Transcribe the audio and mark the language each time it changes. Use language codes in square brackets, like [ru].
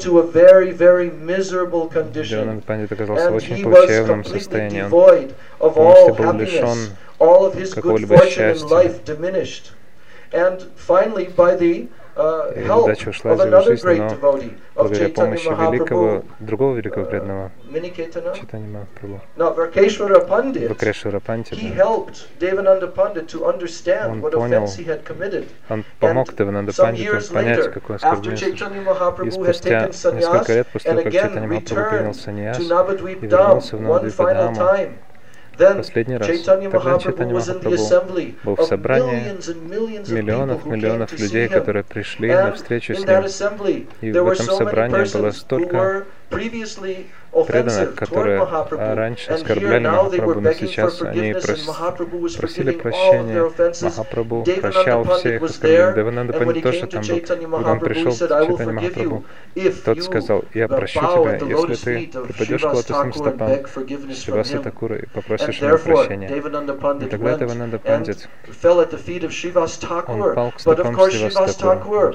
[ru] Девананда Пандит оказался в очень плачевном состоянии. Он полностью был лишен какого-либо счастья. [en] And finally, by the help of another great devotee, of Chaitanya Mahaprabhu, Vrakeshwara Pandit, he helped Devananda Pandit to understand what offense he had committed. And some years later, after Chaitanya Mahaprabhu had taken sannyas and again returned to Navadvipdham one final time, then Chaitanya Mahaprabhu was in the assembly of millions and millions of people who came to see him. And in that assembly, there were so many persons who were previously offensive toward Mahaprabhu, and here now they were begging for forgiveness, and Mahaprabhu was forgiving all of their offenses. [ru] Mahaprabhu прощал всех оскорблений. Девананда Пандит тоже там был. Когда он пришел к Чайтанья Махапрабху, тот сказал: «Я прощу тебя, если ты припадешь к лотосным стопам Шриваса Такуры и попросишь у него прощения». И тогда Девананда Пандит упал к стопам Шриваса Такуры.